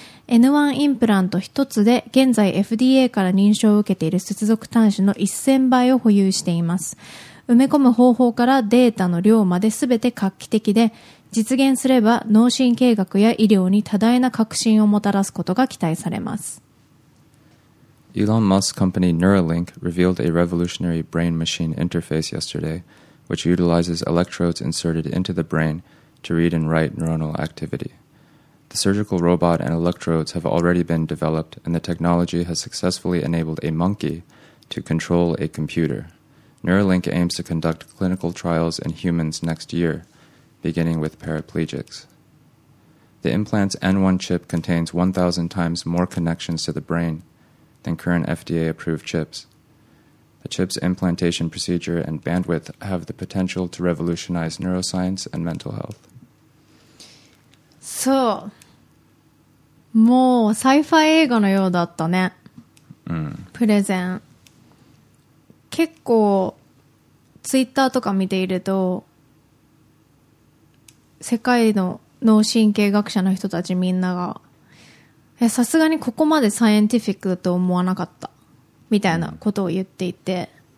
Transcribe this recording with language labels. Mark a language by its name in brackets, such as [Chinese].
[Japanese] N1 インプラント一つで現在 FDA から認証を受けている接続端子の1000倍を保有しています。埋め込む方法からデータの量まで全て画期的で、実現すれば脳神経学や医療に多大な革新をもたらすことが期待されます。 [English] Elon Musk's company Neuralink revealed a revolutionary brain-machine interface yesterday, which utilizes electrodes inserted into the brain to read and write neuronal activity. The surgical robot and electrodes have already been developed, and the technology has successfully enabled a monkey to control a computer. Neuralink aims to conduct clinical trials in humans next year, beginning with paraplegics. The implant's N1 chip contains 1,000 times more connections to the brain than current FDA-approved chips. The chip's implantation procedure and bandwidth have the potential to revolutionize neuroscience and mental health. [Japanese] そう。もう、サイファイ映画のようだったね。うん。プレゼン。結構、ツイッターとか見ていると、世界の脳神経学者の人たちみんなが、さすがにここまでサイエンティフィックと思わなかったみたいなことを言っていて、